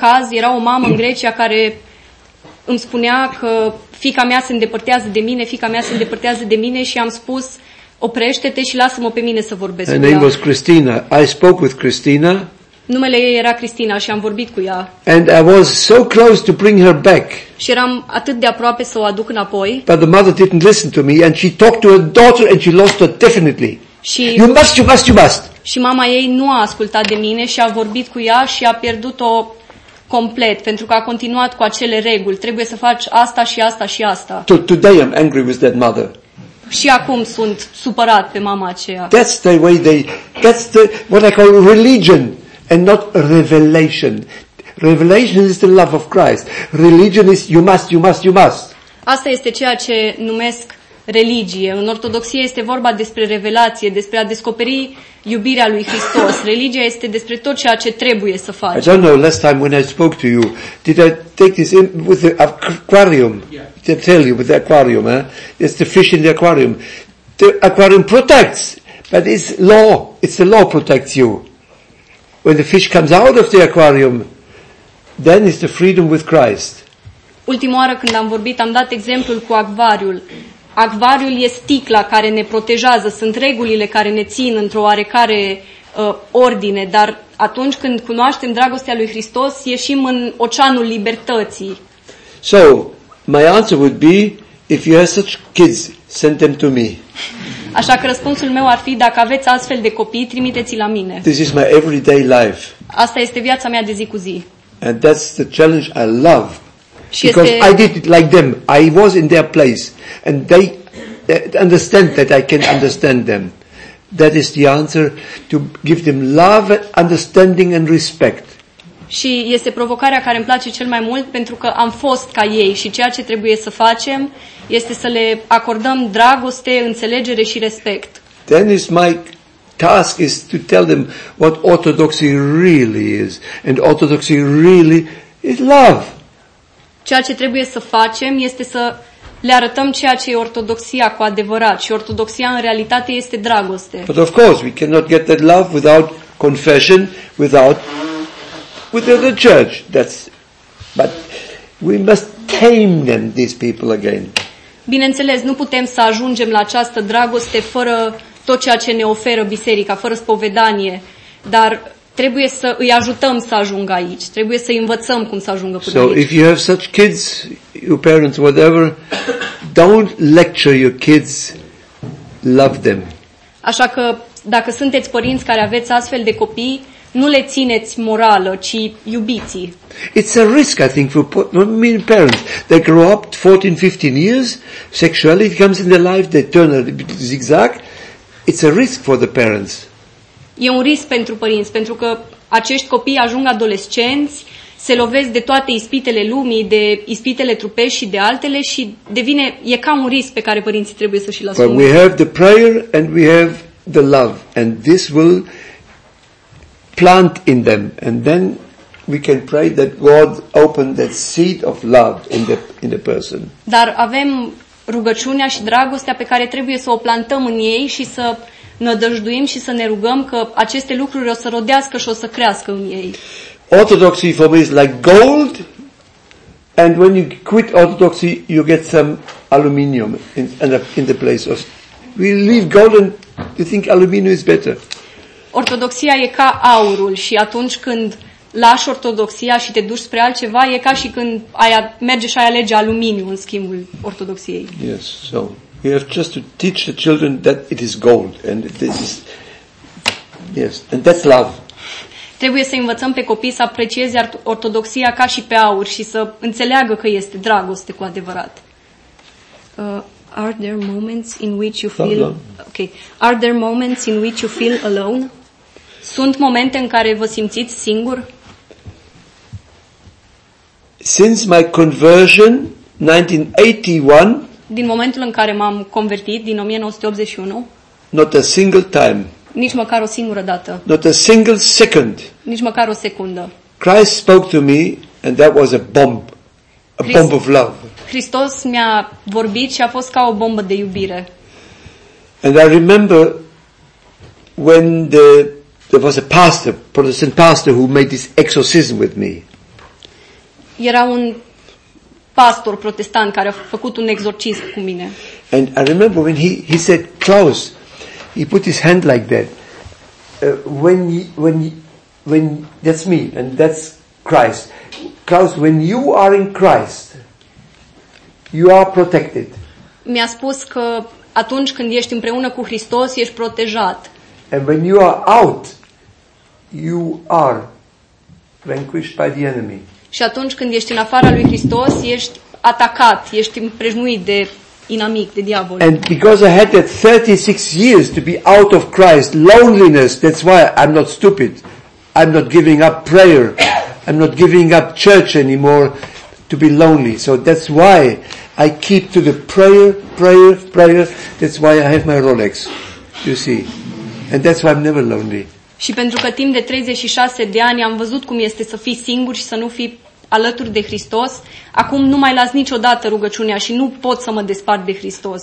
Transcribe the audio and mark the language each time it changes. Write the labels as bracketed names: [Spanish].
[Romanian] Era o mamă în Grecia care îmi spunea că fiica mea se îndepărtează de mine, și am spus, oprește-te și lasă-mă pe mine să vorbesc. [English] Her name was Christina. I spoke with Christina. [Romanian] Numele ei era Cristina și am vorbit cu ea. [English] And I was so close to bring her back. [Romanian] Și eram atât de aproape să o aduc înapoi. [English] But the mother didn't listen to me and she talked to her daughter and she lost her definitely. [Romanian] Și [English] You must. [Romanian] Și mama ei nu a ascultat de mine și a vorbit cu ea și a pierdut-o complet pentru că a continuat cu acele reguli. Trebuie să faci asta și asta și asta. [English] Today I'm angry with that mother. [Romanian] Și acum sunt supărat pe mama aceea. [English] That's the way they, that's the what I call religion. And not revelation. Revelation is the love of Christ. Religion is you must. [Romanian] Asta este ceea ce numesc religie. În ortodoxie este vorba despre revelație, despre a descoperi iubirea lui Hristos. Religia este despre tot ceea ce trebuie să faci. [English] I don't know, last time when I spoke to you, did I take this in with the aquarium? Yeah. Did I tell you with the aquarium? Eh? It's the fish in the aquarium. The aquarium protects, but it's law. It's the law protects you. When the fish comes out of the aquarium, then is the freedom with Christ. [Romanian] Ultima oară când am vorbit, am dat exemplul cu acvariul. Acvariul e sticla care ne protejează, sunt regulile care ne țin într-o oarecare ordine, dar atunci când cunoaștem dragostea lui Hristos, ieșim în oceanul libertății. [English] So, my answer would be, if you have such kids, send them to me. [Romanian] Așa că răspunsul meu ar fi, dacă aveți astfel de copii, trimiteți-i la mine. [English] This is my everyday life. [Romanian] Asta este viața mea de zi cu zi. [English] And that's the challenge I love. [Romanian] Și [English] because [Romanian] este... [English] I did it like them. I was in their place. And they understand that I can understand them. That is the answer, to give them love, understanding and respect. [Romanian] Și este provocarea care îmi place cel mai mult pentru că am fost ca ei și ceea ce trebuie să facem este să le acordăm dragoste, înțelegere și respect. [English] Then is my task is to tell them what orthodoxy really is. And orthodoxy really is love. [Romanian] Ceea ce trebuie să facem este să le arătăm ceea ce e ortodoxia cu adevărat și ortodoxia în realitate este dragoste. [English] But of course we cannot get that love without confession, without the church, that's, but we must tame them, these people again. [Romanian] Bineînțeles, nu putem să ajungem la această dragoste fără tot ceea ce ne oferă biserica, fără spovedanie, dar trebuie să îi ajutăm să ajungă aici, trebuie să îi învățăm cum să ajungă până [English] so [Romanian] aici. [English] So if you have such kids, your parents, whatever, don't lecture your kids, love them. [Romanian] Așa că dacă sunteți părinți care aveți astfel de copii, nu le țineți morală, ci iubiți-i. [English] It's a risk, I think, for many parents. They grow up 14, 15 years, sexuality comes in their life, they turn a zigzag. It's a risk for the parents. [Romanian] E un risc pentru părinți, pentru că acești copii ajung adolescenți, se lovesc de toate ispitele lumii, de ispitele trupești și de altele și devine, e ca un risc pe care părinții trebuie să și-l asume. [English] But we have the prayer and we have the love and this will plant in them and then we can pray that God open that seed of love in the person. [Romanian] Dar avem rugăciunea și dragostea pe care trebuie să o plantăm în ei și să nădăjduim și să ne rugăm că aceste lucruri o să rodească și o să crească în ei. [English] Orthodoxy for me is like gold and when you quit orthodoxy you get some aluminium in the place of we leave gold and you think aluminium is better. [Romanian] Ortodoxia e ca aurul și atunci când lași ortodoxia și te duci spre altceva, e ca și când ai merge și ai alege aluminiu în schimbul ortodoxiei. [English] Yes, so we have just to teach the children that it is gold and this is yes, and that's love. [Romanian] Trebuie să învățăm pe copii să aprecieze ortodoxia ca și pe aur și să înțeleagă că este dragoste cu adevărat. [English] Are there moments in which you feel are there moments in which you feel alone? [Romanian] Sunt momente în care vă simțiți singur? [English] Since my conversion 1981, [Romanian] din momentul în care m-am convertit din 1981, [English] not a single time. [Romanian] Nici măcar o singură dată. [English] Not a single second. [Romanian] Nici măcar o secundă. [English] Christ spoke to me and that was a bomb. A bomb of love. [Romanian] Hristos mi-a vorbit și a fost ca o bombă de iubire. [English] And I remember when there was a pastor, Protestant pastor who made this exorcism with me. [Romanian] Era un pastor protestant care a făcut un exorcism cu mine. [English] And I remember when he said, Klaus, he put his hand like that. When that's me and that's Christ. Klaus, when you are in Christ, you are protected. [Romanian] Mi-a spus că atunci când ești împreună cu Hristos, ești protejat. [English] And when you are out, you are vanquished by the enemy. [Romanian] Și atunci când ești în afara lui Hristos, ești atacat, ești împrejmuit de inamic, de diavol. [English] And because I had that 36 years to be out of Christ, loneliness, that's why I'm not stupid. I'm not giving up prayer. I'm not giving up church anymore to be lonely. So that's why I keep to the prayer. That's why I have my Rolex. You see. And that's why I'm never lonely. [Romanian] Și pentru că timp de 36 de ani am văzut cum este să fii singur și să nu fii alături de Hristos, acum nu mai las niciodată rugăciunea și nu pot să mă despart de Hristos.